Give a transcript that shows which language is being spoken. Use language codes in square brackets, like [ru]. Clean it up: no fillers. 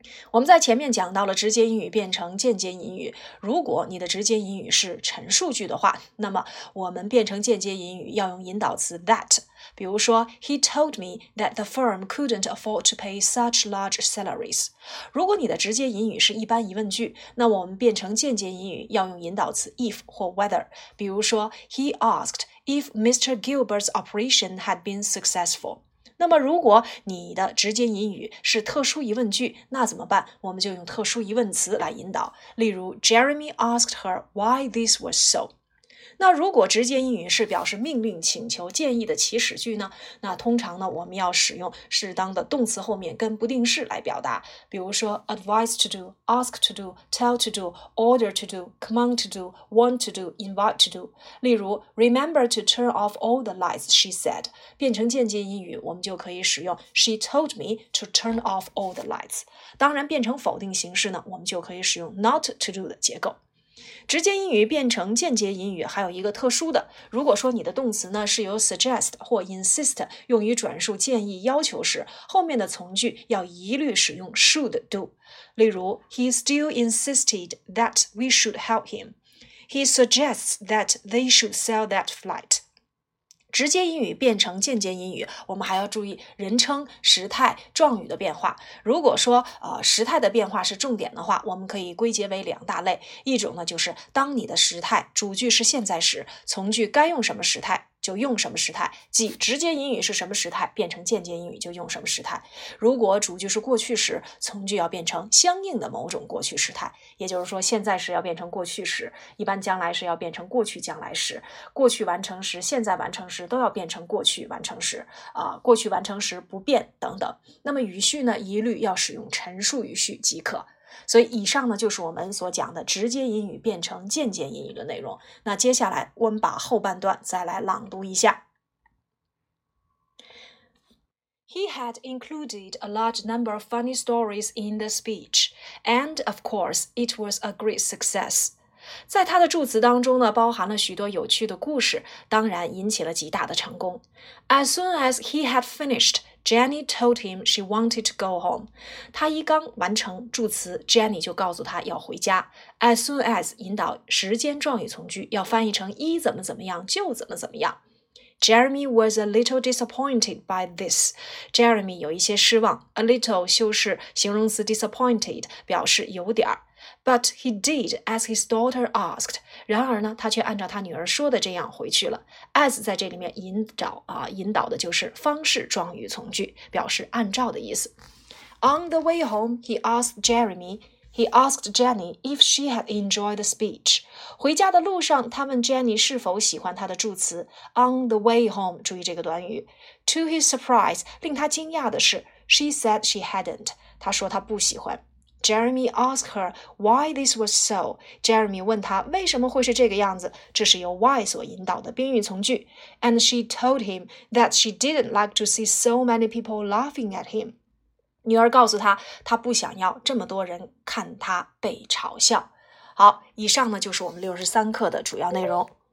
[zh] 我们在前面讲到了直接引语变成间接引语，如果你的直接引语是陈述句的话，那么我们变成间接引语要用引导词 that， 比如说 [en] He told me that the firm couldn't afford to pay such large salaries。 [zh] 如果你的直接引语是一般疑问句，那我们变成间接引语要用引导词 if 或 whether， 比如说 [en] He asked if Mr. Gilbert's operation had been successful。 [zh] 那么如果你的直接引语是特殊疑问句，那怎么办？我们就用特殊疑问词来引导。例如 [en] Jeremy asked her why this was so。 [zh] 那如果直接引语是表示命令、请求、建议的起始句呢？那通常呢，我们要使用适当的动词后面跟不定式来表达。比如说 [en] advise to do, ask to do, tell to do, order to do, command to do, want to do, invite to do。 [zh] 例如 [en] remember to turn off all the lights, she said。 [zh] 变成间接引语，我们就可以使用 [en] she told me to turn off all the lights。 [zh] 当然变成否定形式呢，我们就可以使用 [en] not to do [zh] 的结构。直接引语变成间接引语还有一个特殊的，如果说你的动词呢是由 suggest 或 insist 用于转述建议要求时，后面的从句要一律使用 should do。 [en] 例如 He still insisted that we should help him. He suggests that they should sell that flight. [zh] 直接英语变成间接英语，我们还要注意人称、时态、状语的变化。如果说时态的变化是重点的话，我们可以归结为两大类。一种呢，就是当你的时态主句是现在时，从句该用什么时态就用什么时态，即直接英语是什么时态变成间接英语就用什么时态。如果主句是过去时，从句要变成相应的某种过去时态，也就是说现在时要变成过去时，一般将来时要变成过去将来时，过去完成时、现在完成时都要变成过去完成时，过去完成时不变等等。那么语序呢，一律要使用陈述语序即可。所以以上呢，就是我们所讲的直接英语变成间接英语的内容。那接下来我们把后半段再来朗读一下。 [en] He had included a large number of funny stories in the speech, and of course it was a great success. [zh] 在他的助词当中呢，包含了许多有趣的故事，当然引起了极大的成功。 [en] As soon as he had finishedJenny told him she wanted to go home. [zh] 她一刚完成助词 ,Jenny 就告诉她要回家。 As soon as 引导时间状语从句，要翻译成一怎么怎么样就怎么怎么样。 [en] Jeremy was a little disappointed by this. [zh] Jeremy 有一些失望 ,a little 修饰形容词 disappointed, 表示有点。 [en] But he did as his daughter asked. [zh] 然而呢，他却按照他女儿说的这样回去了。As 在这里面引导的就是方式状语从句，表示按照的意思。 [en] On the way home, he asked Jenny if she had enjoyed the speech. [zh] 回家的路上，他问 Jenny 是否喜欢他的祝词。 [en] On the way home, [zh] 注意这个短语。 [en] To his surprise, [zh] 令他惊讶的是 [en] ，she said she hadn't. [zh] 他说他不喜欢。 [en] Jeremy asked her why this was so. [zh] Jeremy 问他为什么会是这个样子，这是由 why 所引导的宾语从句。 [en] And she told him that she didn't like to see so many people laughing at him. [zh] 女儿告诉他，她不想要这么多人看他被嘲笑。好，以上呢就是我们63课的主要内容。